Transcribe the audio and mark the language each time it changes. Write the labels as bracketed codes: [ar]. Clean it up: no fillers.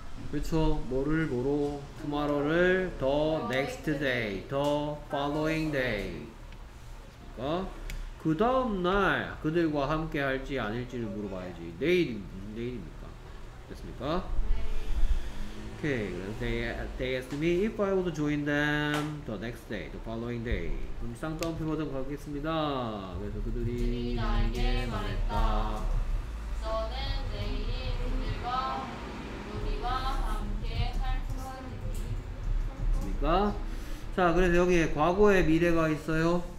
[ko] 그렇죠. 뭐를 뭐로? Tomorrow를 the next day, the following day. 그러니까 그 다음 날 그들과 함께 할지 아닐지를 물어봐야지. 내일, 무슨 내일입니까? 됐습니까? 오케이. Okay. [en] They asked me if I would join them the next day, the following day. [ko] 그럼 쌍따옴표 버전 가겠습니다. 그래서 그들이 나에게 말했다. 너는 내일 그들과 우리와 함께 할 것입니까? 자, 그래서 여기에 과거에 미래가 있어요.